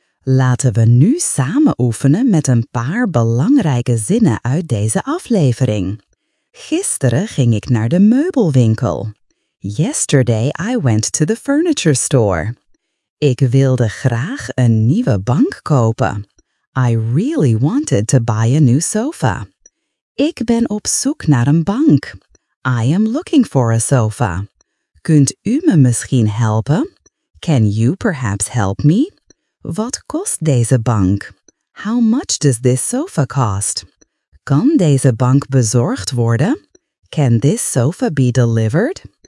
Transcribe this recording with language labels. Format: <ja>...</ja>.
<nl>Laten we nu samen oefenen met een paar belangrijke zinnen uit deze aflevering. Gisteren ging ik naar de meubelwinkel.</nl> <en>Yesterday I went to the furniture store.</en> <nl>Ik wilde graag een nieuwe bank kopen.</nl> <en>I really wanted to buy a new sofa.</en> <nl>Ik ben op zoek naar een bank.</nl> <en>I am looking for a sofa.</en> <nl>Kunt u me misschien helpen?</nl> <en>Can you perhaps help me?</en> <nl>Wat kost deze bank?</nl> <en>How much does this sofa cost?</en> <nl>Kan deze bank bezorgd worden?</nl> <en>Can this sofa be delivered?</en>